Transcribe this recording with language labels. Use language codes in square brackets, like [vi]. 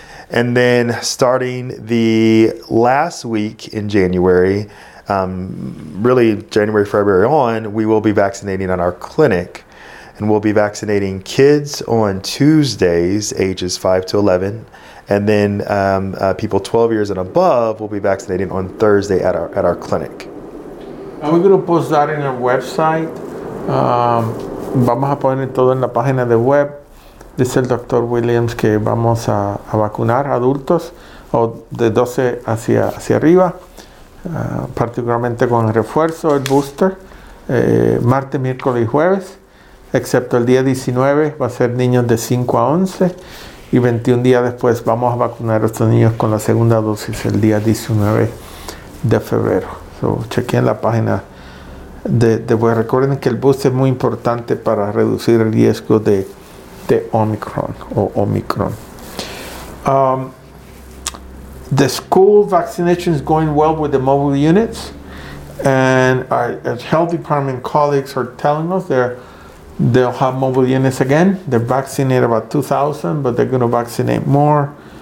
[en] And then starting the last week in January, really January, February on, we will be vaccinating at our clinic. And we'll be vaccinating kids on Tuesdays, ages 5 to 11. And then people 12 years and above will be vaccinating on Thursday at our clinic. And we're going to post that in our website. [es] Vamos a poner todo en la página de web. Dice el Dr. Williams que vamos a vacunar adultos o de 12 hacia arriba, particularmente con el refuerzo, el booster, martes, miércoles y jueves, excepto el día 19, va a ser niños de 5 a 11, y 21 días después vamos a vacunar a estos niños con la segunda dosis el día 19 de febrero. So, chequeen la página de web. Recuerden que el booster es muy importante para reducir el riesgo de Omicron o Omicron. [en] The school vaccination is going well with the mobile units, and our health department colleagues are telling us they'll have mobile units again. They're vaccinated about 2,000, but they're going to vaccinate more.